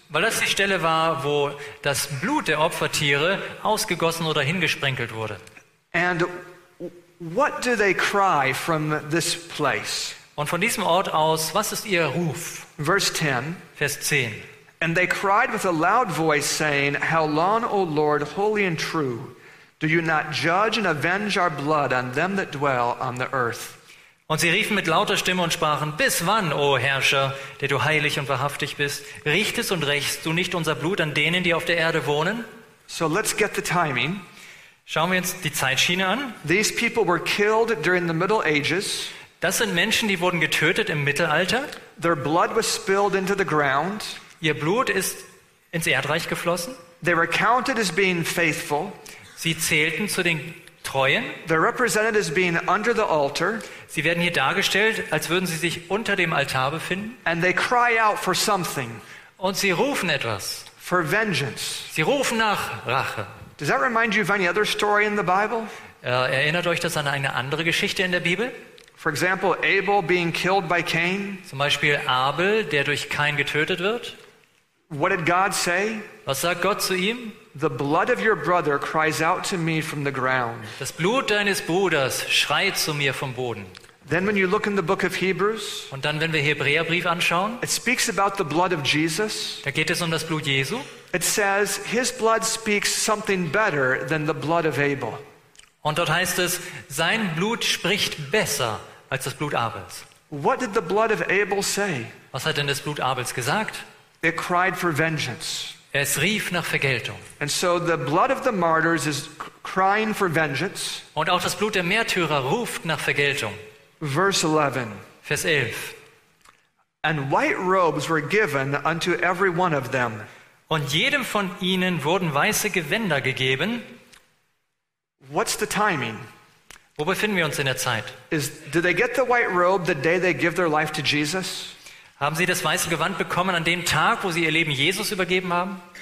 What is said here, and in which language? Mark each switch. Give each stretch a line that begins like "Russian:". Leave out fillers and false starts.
German: Weil das die Stelle war, wo das Blut der Opfertiere ausgegossen oder hingesprenkelt wurde.
English: And what do they cry from this place?
German: Und von diesem Ort aus, was ist ihr Ruf?
English: Verse 10.
German: Vers 10.
English: And they cried with a loud voice, saying, How long, O Lord, holy and true, do you not judge and avenge our blood on them that dwell on the earth?
German: Und sie riefen mit lauter Stimme und sprachen, Bis wann, O Herrscher, der du heilig und wahrhaftig bist, richtest und rächst du nicht unser Blut an denen, die auf der Erde wohnen?
English: So let's get the timing.
German: Schauen wir uns die Zeitschiene an.
English: These people were killed during the Middle Ages.
German: Das sind Menschen, die wurden getötet im Mittelalter.
English: Their blood was spilled into the ground.
German: Ihr Blut ist ins Erdreich geflossen.
English: They were counted as being faithful.
German: Sie zählten zu den Treuen.
English: They're represented as being under the altar.
German: Sie werden hier dargestellt, als würden sie sich unter dem Altar befinden.
English: And they cry out for something.
German: Und sie rufen etwas.
English: For vengeance.
German: Sie rufen nach Rache.
English: Does that remind you of any other story in the Bible?
German: Erinnert euch das an eine andere Geschichte in der Bibel?
English: For example, Abel being killed by Cain.
German: Zum Beispiel Abel, der durch Cain getötet wird.
English: What did God say?
German: Was sagt Gott zu ihm?
English: The blood of your brother cries out to me from the ground.
German: Das Blut deines Bruders schreit zu mir vom Boden.
English: Then when you look in the book of Hebrews,
German: und dann wenn wir Hebräerbrief anschauen,
English: it speaks about the blood of Jesus.
German: Da geht es um das Blut Jesu.
English: It says his blood speaks something better than the blood of Abel.
German: Und dort heißt es, sein Blut spricht besser als das Blut Abels.
English: What did the blood of Abel say?
German: Was hat denn das Blut Abels gesagt?
English: It cried for vengeance.
German: Es rief nach Vergeltung.
English: And so the blood of the martyrs is crying for vengeance.
German: Und auch das Blut der Märtyrer ruft nach Vergeltung.
English: Verse 11.
German: Vers 11.
English: And white robes were given unto every one of them.
German: Und jedem von ihnen wurden weiße Gewänder gegeben.
English: What's the timing?
German: Wo befinden wir uns in der Zeit?
English: Do they get the white robe the day they give their life to Jesus?
German: Haben sie das weiße Gewand bekommen an dem Tag, wo sie ihr Leben Jesus übergeben haben?